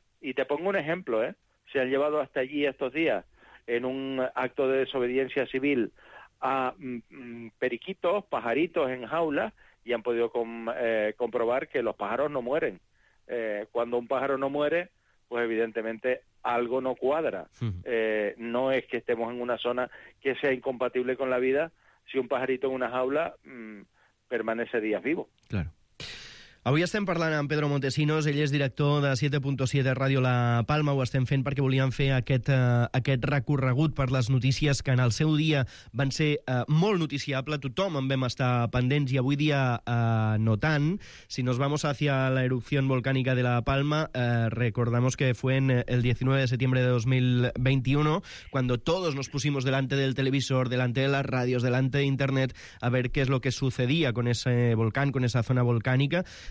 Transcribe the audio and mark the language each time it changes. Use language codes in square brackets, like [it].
[es] Y te pongo un ejemplo, ¿eh? Se han llevado hasta allí estos días, en un acto de desobediencia civil, a periquitos, pajaritos en jaulas, y han podido comprobar que los pájaros no mueren. Cuando un pájaro no muere, pues evidentemente algo no cuadra. No es que estemos en una zona que sea incompatible con la vida si un pajarito en una jaula permanece días vivo. Claro. [ca] Avui estem parlant amb Pedro Montesinos, ell és director de 7.7 Ràdio La Palma. Ho estem fent perquè volíem fer aquest recorregut per les notícies que en el seu dia van ser molt noticiable. Tothom en vam estar pendents i avui dia no tant. [es] Si nos vamos hacia la erupción volcánica de La Palma, recordamos que fue en el 19 de septiembre de 2021 cuando todos nos pusimos delante del televisor, delante de las radios, delante de internet, a ver qué es lo que sucedía con ese volcán, con esa zona volcánica.